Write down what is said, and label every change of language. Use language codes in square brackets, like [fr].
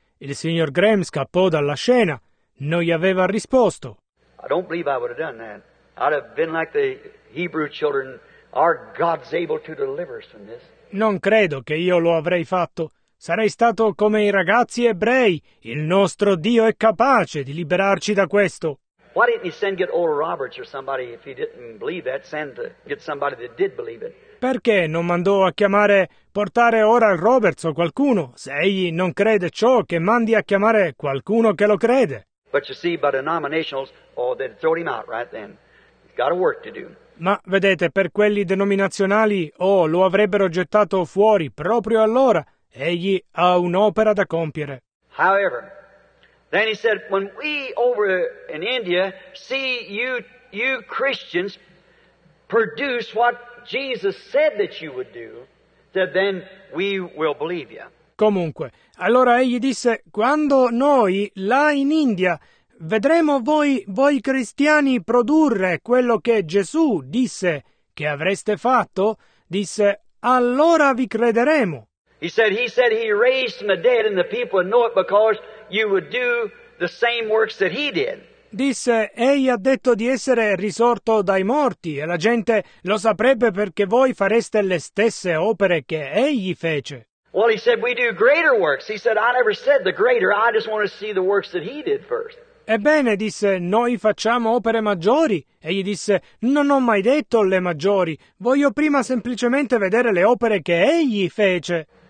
[it] Il signor Graham scappò dalla scena. Non gli aveva risposto. [en] I don't believe I would have done that. I'd have been like the... Hebrew children, our God's able to deliver us from this. [it] Non credo che io lo avrei fatto. Sarei stato come i ragazzi ebrei. Il nostro Dio è capace di liberarci da questo. [en] Why didn't he send get Oral Roberts or somebody if he didn't believe that? Send to get somebody that did believe it. [it] Perché non mandò a chiamare, portare Oral Roberts o qualcuno? Se egli non crede ciò, che mandi a chiamare qualcuno che lo crede. [en] But you see, by the denominationals, oh, they'd throw him out right then. Got a work to do. [it] Ma vedete, per quelli denominazionali, lo avrebbero gettato fuori proprio allora. Egli ha un'opera da compiere. [en] However, then he said, when we over in India see you Christians produce what Jesus said that you would do, that then we will believe you. [it] Comunque, allora egli disse, quando noi là in India vedremo voi cristiani produrre quello che Gesù disse che avreste fatto? Disse, allora vi crederemo. [en] He said he raised from the dead and the people know it because you would do the same works that he did. [it] Disse, egli ha detto di essere risorto dai morti e la gente lo saprebbe perché voi fareste le stesse opere che egli fece. [en] Well, he said, we do greater works. He said, I never said the greater, I just want to see the works that he did first. [it] Ebbene, disse, noi facciamo opere maggiori. Egli disse, non ho mai detto le maggiori, voglio prima semplicemente vedere le opere che egli fece.